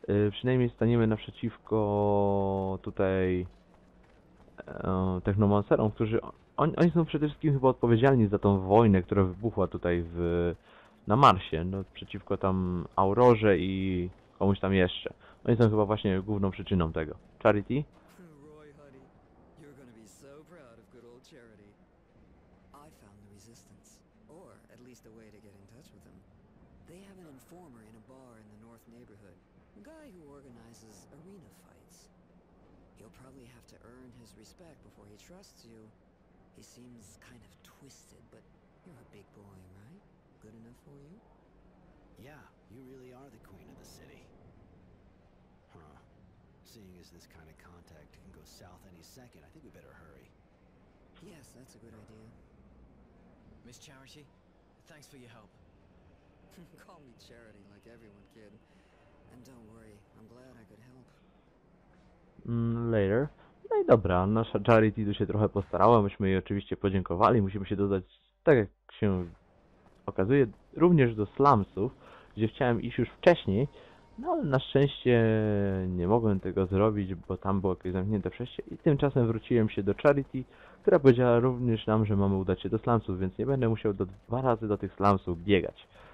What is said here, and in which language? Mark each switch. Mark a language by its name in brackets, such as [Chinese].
[Polish] Przynajmniej staniemy naprzeciwko tutaj technomancerom, którzy oni są przede wszystkim chyba odpowiedzialni za tą wojnę, która wybuchła tutaj na Marsie, no, przeciwko tam Aurorze i komuś tam jeszcze. Oni są chyba właśnie główną przyczyną tego. [English] Charity? Roy, honey, you're gonna be so proud of good old Charity. I found the Resistance, or at least a way to get in touch with them. They have an informer in a bar in the north neighborhood, a guy who organizes arena fights. He'll probably have to earn his respect before he trusts you. He seems kind of twisted, but you're a big boy, right? Good enough for you? Yeah, you really are the queen of the city. Huh. Seeing as this kind of contact can go south any second, I think we better hurry. Yes, that's a good idea. Miss Charity, thanks for your help. Call me Charity like everyone, kid. And don't worry, I'm glad I could help. Later. [Polish] No i dobra, nasza Charity tu się trochę postarała, myśmy jej oczywiście podziękowali, musimy się dodać, tak jak się okazuje, również do slumsów, gdzie chciałem iść już wcześniej. No ale na szczęście nie mogłem tego zrobić, bo tam było jakieś zamknięte przejście i tymczasem wróciłem się do Charity, która powiedziała również nam, że mamy udać się do slumsów, więc nie będę musiał dwa razy do tych slumsów biegać.